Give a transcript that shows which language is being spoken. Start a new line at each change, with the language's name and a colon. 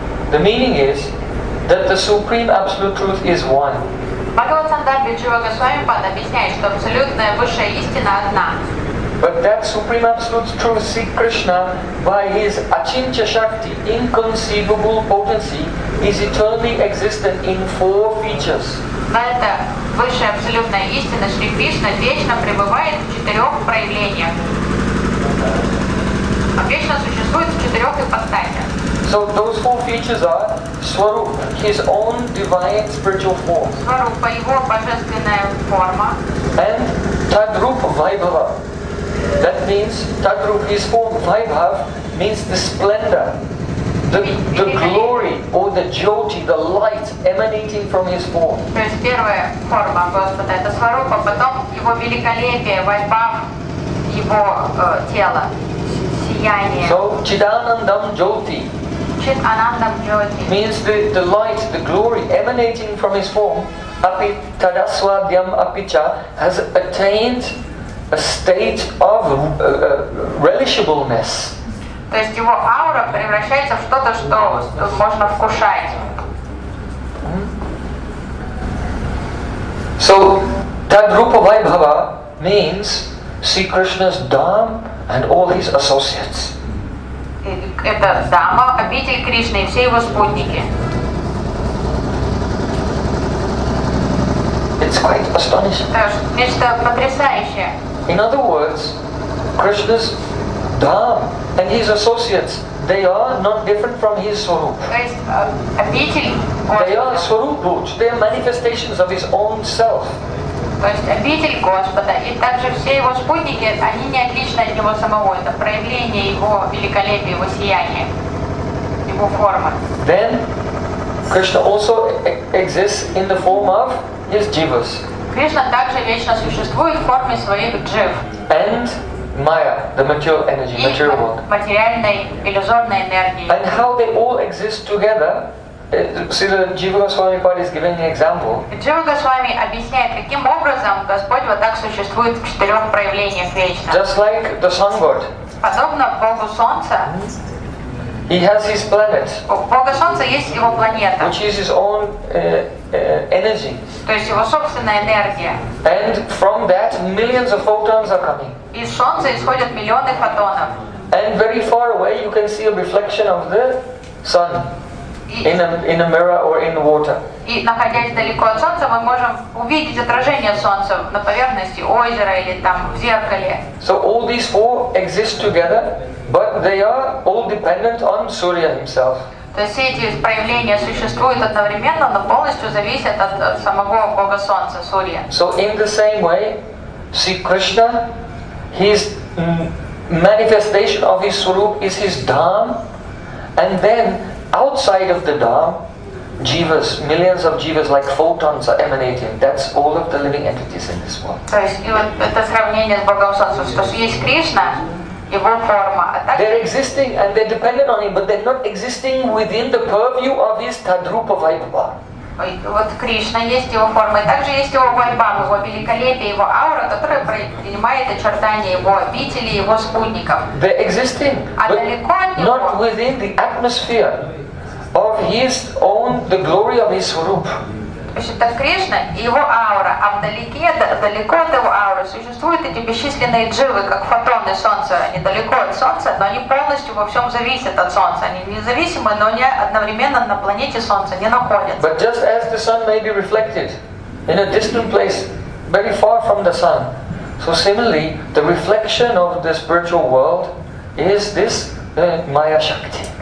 English: The meaning is that the Supreme Absolute Truth is one.
Russian: Bhagavatsandarbhi Jiva Goswami Pada объясняет, что абсолютная высшая истина одна.
English: But that Supreme Absolute Truth, Sri Krishna, by His Achincha Shakti, inconceivable potency, is eternally existent in four features.
Russian: Но это высшая абсолютная истина, Шри Кришна вечно пребывает в четырех проявлениях. А вечно существует в четырех ипостасях.
English: So those four features are Swarup, His own divine spiritual form.
Russian: Swarupa, Его божественная форма.
English: And Tadrupa, Vaibhava. That means Tadrup, His form, Vaibhav, means the splendor, the glory, or the jyoti, the light emanating from His form.
Russian: То есть первая форма Господа – это Сварупа, потом Его великолепие, Вайбхав, Его тело, сияние.
Sanskrit: So, Чидананандам Джоти. Чиданандам Джоти.
English: Means the light, the glory emanating from His form,
Sanskrit: Api Tadasvadyam Apicha,
English: has attained a state of relishableness.
Russian: То есть его аура превращается в что-то, что можно вкушать.
English: So Tadrupa Vaibhava means Sri Krishna's dham and all his associates.
Russian: Это дама, обитель Кришны и все его спутники.
English: It's quite astonishing.
Russian: Это нечто потрясающее.
English: In other words, Krishna's dham and his associates, they are not different from his swarup. They are swarup-bhut, they are manifestations of his own self.
Russian: То есть обитель Господа и также все его спутники, они не отличны от него самого. Это проявление его великолепия, его сияния, его формы.
English: Then Krishna also exists in the form of his jivas.
Russian: Кришна также вечно существует в форме своих джив.
English: And Maya, the material energy,
Russian: и
English: material world.
Russian: Материальной иллюзорной энергии.
English: And how they all exist together? See, the Jiva Goswami Pada is giving an example.
Russian: Jiva Goswami объясняет, каким образом Господь вот так существует в четырех проявлениях вечно.
English: Just like the sun god.
Russian: Подобно Богу Солнца.
English: He has his planet.
Russian: У Бога Солнца есть его планета.
English: Which is his own energy.
Russian: То есть его собственная энергия.
English: And from that, millions of photons are coming.
Russian: Из Солнца исходят миллионы фотонов.
English: And very far away, you can see a reflection of the sun. In a mirror or in the water.
Russian: И находясь далеко от солнца, мы можем увидеть отражение солнца на поверхности озера или там в зеркале.
English: So all these four exist together, but they are all dependent on Surya himself.
Russian: То есть все эти проявления существуют одновременно, но полностью зависят от самого Бога Солнца, Сурья.
English: So in the same way, see Krishna, his manifestation of his Swarup is his Dhamma, and then outside of the Dham, jivas, millions of jivas like photons are emanating. That's all of the living entities in this world.
Russian: То есть это сравнение с Богом Солнцем, что есть Кришна, его форма, а также
English: they're existing and they're dependent on him, but they're not existing within the purview of his Tadrupa Vaibhava.
Russian: Вот Кришна есть его форма, и также есть его вайбхава, его великолепие, его аура, которая принимает очертания его обители, его спутников.
English: They're existing,
Russian: а далеко от него,
English: not within the atmosphere of his own, the glory of his Swarup.
Russian: То есть это Кришна и его аура, а вдалеке, далеко от его ауры существуют эти бесчисленные дживы, как фотоны солнца. Они далеко от солнца, но они полностью во всем зависят от солнца. Они независимы, но они одновременно на планете солнца не находятся.
English: But just as the sun may be reflected in a distant place, very far from the sun, so similarly the reflection of the spiritual world is this Maya Shakti.